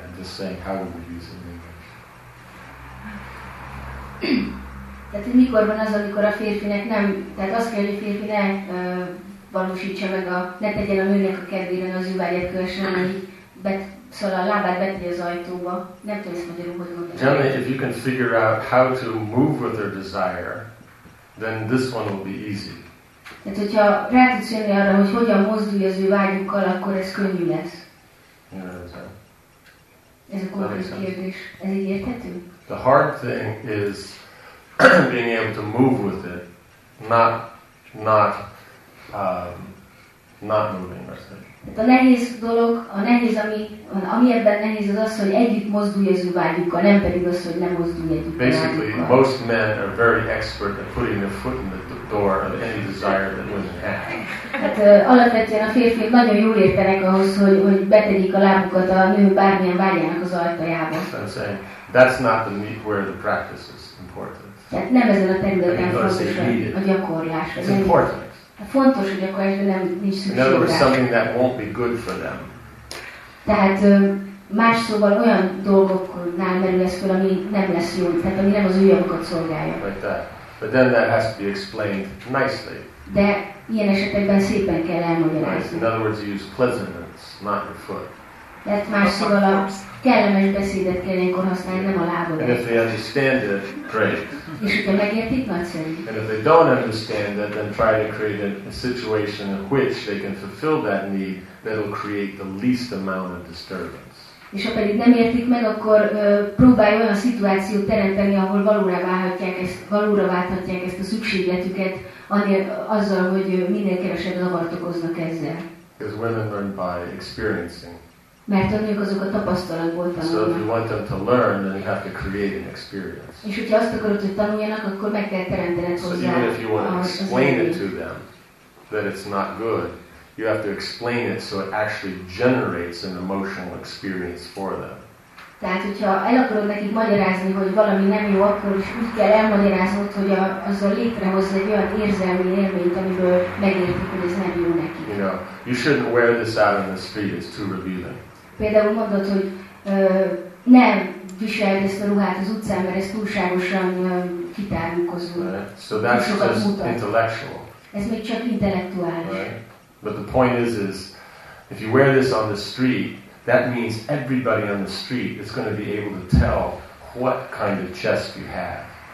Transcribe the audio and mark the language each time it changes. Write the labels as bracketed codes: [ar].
[en] I'm just saying, how would we use it in English? [hu] Tehát mikor van az, amikor a férfinek nem, tehát azt kell, hogy a férfi ne valósítsa meg a, ne tegyen a nőnek a kedvére, az ő vágyát kövessen, szóval a lábát beteti az ajtóba, nem tudom, hogy magyarul, hogy mondani. [en] Generally, if you can figure out how to move with their desire, then this one will be easy. [hu] Tehát, hogyha rátudsz arra, hogy hogyan mozdulj az ő vágyukkal, akkor ez könnyű lesz. Ez a konkrét kérdés. Ez így érthető? [en] The hard thing is being able to move with it, not moving with it. [hu] Tehát a nehéz dolog, a nehéz, ami ebben nehéz, az az, hogy együtt mozdulj az ő vágyukkal, nem pedig az, hogy nem mozdulj együtt vágyukkal. [en] Basically, most men are very expert at putting their foot in the door of any desire that women have. [hu] Hát alapvetően a férfiak nagyon jól értenek ahhoz, hogy betegyik a lábukat a nő bármilyen vágyának az ajtajába. [en] So I'm saying, that's not the meat where the practice is important. [hu] Tehát nem ezen a területen fontos a gyakorlás. [en] It's important. [hu] Fontos, hogy akkor ebben nem nincs szükség. [en] In other words, something that won't be good for them. [hu] Tehát más szóval olyan dolgoknál merül ez fel, ami nem lesz jó, tehát ami nem az ő javukat szolgálja. [en] Like that. But then that has to be explained nicely. [hu] De ilyen esetekben szépen kell elmagyarázni. [en] In other words, you use pleasantness, not your foot. [hu] Tehát más szóval a kellemes beszédet kell ilyenkor használni, nem a lábodat. [en] And if they understand it, great. [hu] És hogyha megértik, nagyszerű. [en] And if they don't understand it, then try to create a situation in which they can fulfill that need that will create the least amount of disturbance. [hu] És ha pedig nem értik meg, akkor próbálj olyan szituációt teremteni, ahol valóra válthatják ezt a szükségletüket, azzal, hogy minél kevesebb zavart okoznak ezzel. [en] Because women learn by experiencing. [hu] Mert a nők azok a tapasztalatból tanulnak. [en] So if you want them to learn, then you have to create an experience. [hu] És hogyha azt akarod, hogy tanuljanak, akkor meg kell teremtened hozzá. [en] So even if you want to explain it to them, that it's not good, you have to explain it so it actually generates an emotional experience for them. [hu] Tehát, hogyha el akarod nekik magyarázni, hogy valami nem jó, akkor is úgy kell elmagyaráznod, hogy azzal létrehozz egy olyan érzelmi élményt, amiből megértik, hogy ez nem jó neki. [en] You know, you shouldn't wear this out on the street, it's too revealing. [hu] Például mondod, hogy nem viseld ezt a ruhát az utcán, mert ez túlságosan kitárulkozó. [en] So that's just intellectual. [hu] Ez még csak intellektuális. [en] Right? But the point is if you wear this on the street, that means everybody on the street is going to be able to tell what kind of chest you have.